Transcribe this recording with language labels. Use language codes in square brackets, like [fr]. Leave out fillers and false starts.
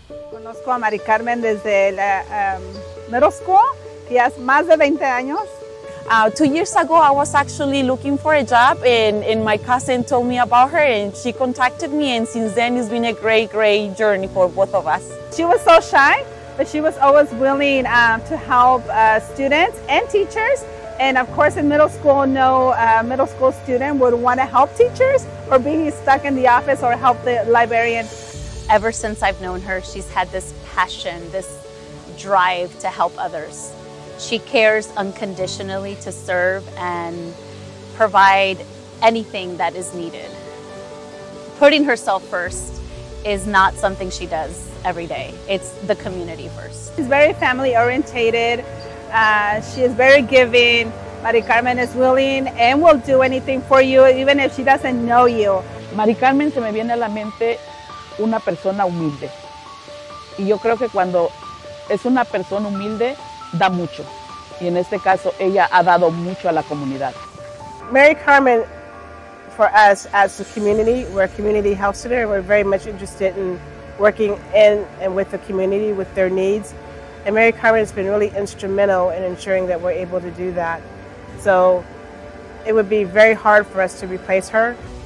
[es] Conozco a Maricarmen desde la middle school, y hace más de 20 años. [en] 2 years ago, I was actually looking for a job, and my cousin told me about her, and she contacted me, and since then, it's been a great, great journey for both of us. She was so shy, but she was always willing to help students and teachers. And of course, in middle school, no middle school student would want to help teachers or be stuck in the office or help the librarian. Ever since I've known her, she's had this passion, this drive to help others. She cares unconditionally to serve and provide anything that is needed. Putting herself first is not something she does every day. It's the community first. She's very family oriented. She is very giving. Maricarmen is willing and will do anything for you, even if she doesn't know you. [es] Maricarmen se me viene a la mente una persona humilde. Y yo creo que cuando es una persona humilde, da mucho. Y en este caso, ella ha dado mucho a la comunidad. [en] Maricarmen, for us as a community, we're a community health center. We're very much interested in working in and with the community, with their needs. And Maricarmen has been really instrumental in ensuring that we're able to do that. So it would be very hard for us to replace her.